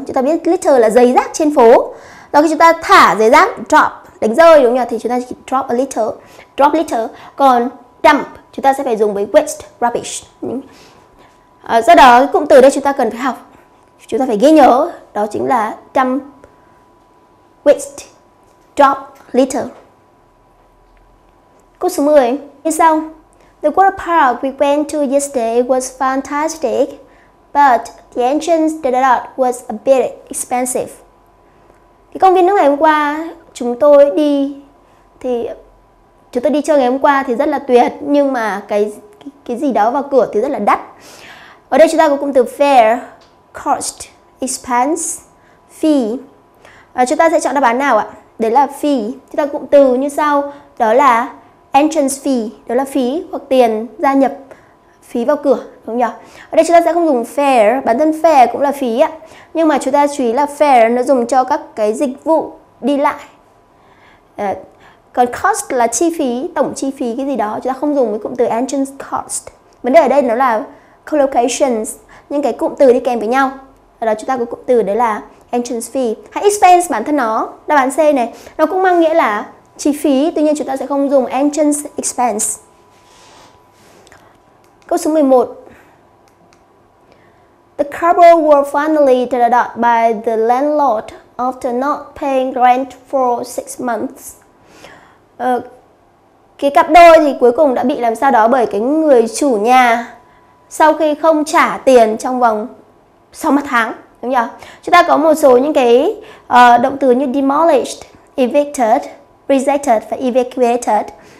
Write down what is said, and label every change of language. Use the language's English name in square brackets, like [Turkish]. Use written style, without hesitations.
[Vietnamese] Chúng ta biết litter là giấy rác trên phố. Do khi chúng ta thả giấy rác drop, đánh rơi đúng không nhỉ? Thì chúng ta chỉ [English] drop a litter, drop litter. [Vietnamese] Còn dump chúng ta sẽ phải dùng với waste, rubbish. Do đó cái cụm từ đây chúng ta cần phải học, chúng ta phải ghi nhớ, đó chính là dump, waste, drop, litter. Câu số 10 như sau. [English] The water park we went to yesterday was fantastic, but the entrance to that was a bit expensive. [Vietnamese] Cái công viên nước ngày hôm qua chúng tôi đi thì chúng tôi đi chơi ngày hôm qua thì rất là tuyệt, nhưng mà cái gì đó vào cửa thì rất là đắt. Ở đây chúng ta có cụm từ fair, cost, expense, fee. Chúng ta sẽ chọn đáp án nào ạ? Đấy là fee. Chúng ta cụm từ như sau, đó là [English] entrance fee, [Vietnamese] đó là phí hoặc tiền gia nhập, phí vào cửa, đúng không nhỉ? Ở đây chúng ta sẽ không dùng fair, bản thân fair cũng là phí ạ. Nhưng mà chúng ta chú ý là fair nó dùng cho các cái dịch vụ đi lại. Còn cost là chi phí, tổng chi phí cái gì đó, chúng ta không dùng với cụm từ [English] entrance cost. [Vietnamese] Vấn đề ở đây nó là collocations, những cái cụm từ đi kèm với nhau. Ở đó chúng ta có cụm từ đấy là [English] entrance fee. [Vietnamese] Hay expense bản thân nó, đáp án C này, nó cũng mang nghĩa là chi phí, tuy nhiên chúng ta sẽ không dùng [English] entrance expense. [Vietnamese] Câu số 11. [English] The couple were finally turned out by the landlord after not paying rent for 6 months. [Vietnamese] Cái cặp đôi thì cuối cùng đã bị làm sao đó bởi cái người chủ nhà sau khi không trả tiền trong vòng 6 tháng, đúng không? Chúng ta có một số những cái động từ như demolished, evicted, rejected và evacuated.